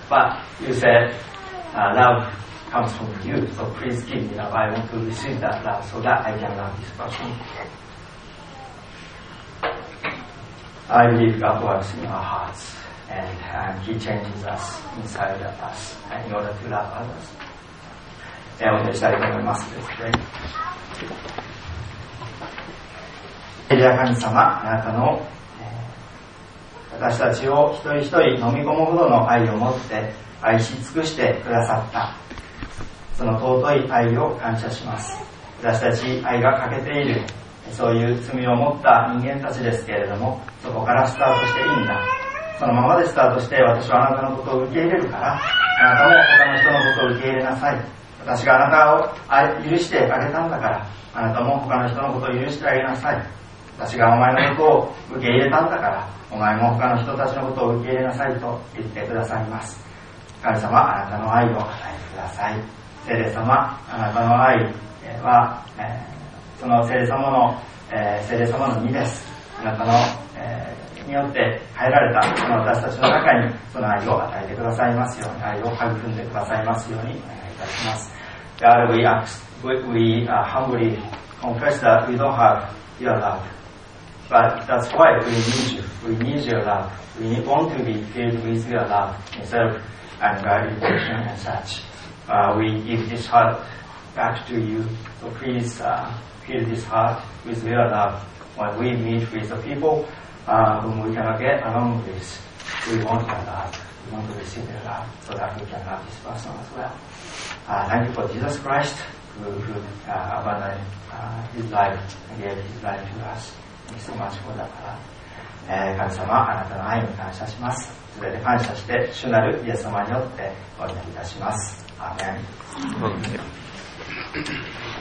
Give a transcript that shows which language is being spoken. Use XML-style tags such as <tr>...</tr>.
<en>But you said love comes from you, so please give me love, I want to receive that love so that I can love this person. I believe God works in our hearts and He changes us inside of us and in order to love others.</en> <ja>お願いしたいと思います。エリア神様、あなたの私たちを一人一人飲み込むほどの愛を持って愛し尽くしてくださった、その尊い愛を感謝します。私たち愛が欠けている、そういう罪を持った人間たちですけれども、そこからスタートしていいんだ、そのままでスタートして私はあなたのことを受け入れるから、あなたも他の人のことを受け入れなさい、私があなたを許してあげたんだから、あなたも他の人のことを許してあげなさい。私がお前のことを受け入れたんだから、お前も他の人たちのことを受け入れなさいと言ってくださいます。神様、あなたの愛を与えてください。聖霊様、あなたの愛は、その聖霊様の、聖霊様の義です。あなたの、によって変えられたその私たちの中に、その愛を与えてくださいますように、愛を育んでくださいますように。</ja> <en>God, we humbly confess that we don't have your love. But that's why we need you. We need your love. We want to be filled with your love instead of anger, depression, and such. We give this heart back to you. So please fill this heart with your love. When we meet with the people whom we cannot get along with, we want your love. We want to receive your love so that we can love this person as well. Thank you for Jesus Christ, who abandoned his life, gave his life to us. Thank you so much for that.</en> <ja>神様、あなたの愛に感謝します。すべて感謝して、主なるイエス様によってお祈りいたします。アーメン。</ja>